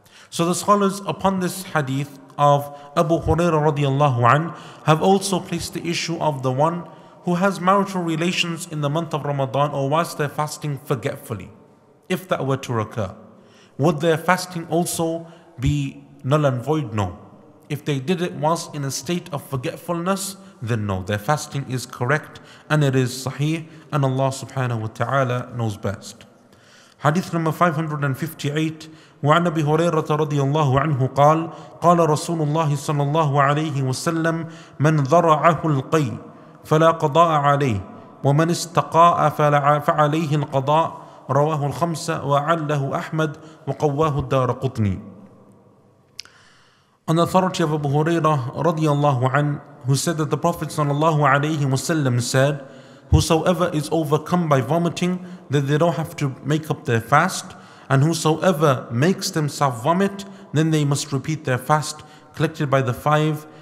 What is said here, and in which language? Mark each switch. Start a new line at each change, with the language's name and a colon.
English: So the scholars upon this hadith of Abu Hurairah radiallahu an have also placed the issue of the one who has marital relations in the month of Ramadan or whilst they're fasting forgetfully. If that were to occur, would their fasting also be null and void? No. If they did it whilst in a state of forgetfulness, then no, their fasting is correct and it is sahih, and Allah subhanahu wa ta'ala knows best. Hadith number 558,
Arabic: وعن أبي هريرة رضي الله عنه قال قال رسول الله صلى الله عليه وسلم من ذرعه القي فلا قضاء عليه ومن استقاء فعليه القضاء رواه الخمسة وعله أحمد وقواه الدار قطني.
English: On the authority of Abu Hurairah radiallahu anhu, who said that the Prophet sallallahu alayhi wasallam said, whosoever is overcome by vomiting, then they don't have to make up their fast, and whosoever makes themselves vomit, then they must repeat their fast, collected by the five